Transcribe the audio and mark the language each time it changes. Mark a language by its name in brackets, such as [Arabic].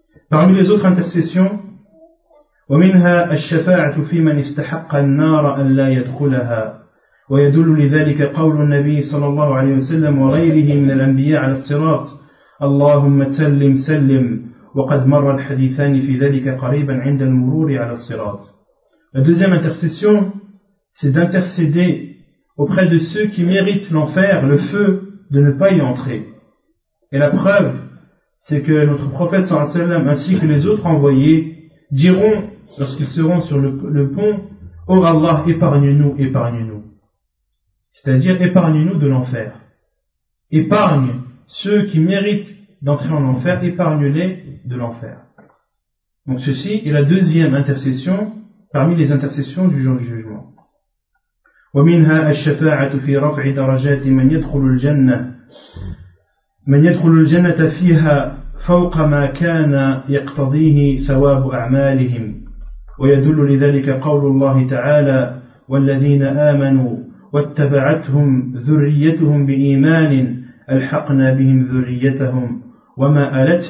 [French] Parmi les autres intercessions, [Arabic] ومنها الشفاعة في من استحق النار أن لا يدخلها ويدل لذلك قول النبي صلى الله عليه وسلم وغيره من الأنبياء على الصراط اللهم سلم سلم وقد مر الحديثان في ذلك قريبا عند المرور على الصراط. [French] La deuxième intercession, c'est d'intercéder auprès de ceux qui méritent l'enfer, le feu, de ne pas y entrer. Et la preuve, c'est que notre prophète [Arabic] صلى الله عليه وسلم [French] ainsi que les autres envoyés diront lorsqu'ils seront sur le pont: ô Allah, épargne-nous, épargne-nous. C'est-à-dire, épargne-nous de l'enfer. Épargne ceux qui méritent d'entrer en enfer, épargne-les de l'enfer. Donc ceci est la deuxième intercession parmi les intercessions du jour du jugement. [Arabic] ومنها الشفاعة في رفع درجات من يدخل الجنة. من يدخل الجنة فيها فوق ما كان يقتضيه ثواب أعمالهم ويدل لذلك قول الله تعالى والذين آمنوا واتبعتهم ذريتهم بإيمان ألحقنا بهم ذريتهم وما